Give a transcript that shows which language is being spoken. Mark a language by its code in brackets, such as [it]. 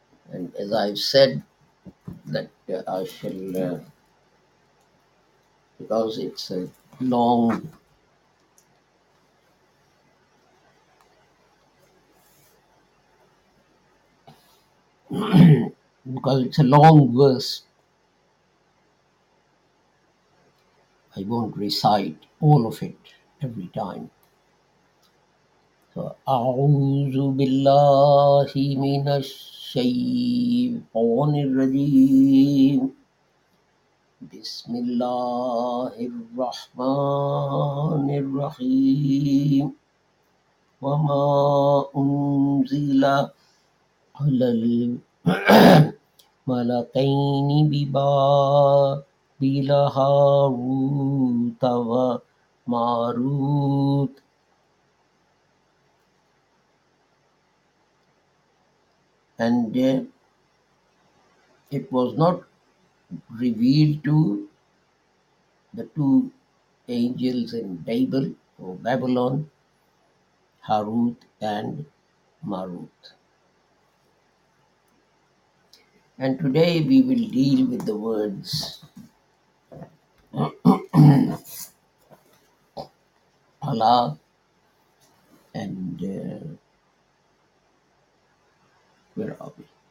[en] And as I've said, that I shall, because it's a long because it's a long verse, I won't recite all of it every time. [ar] So, أعوذ بالله من الشيطان الرجيم بسم الله الرحمن الرحيم وما أنزل على الملكين ببابل هاروت وماروت [en] and it was not revealed to the two angels in Babel or Babylon, Harut and Marut. And today we will deal with the words Allah and where are we?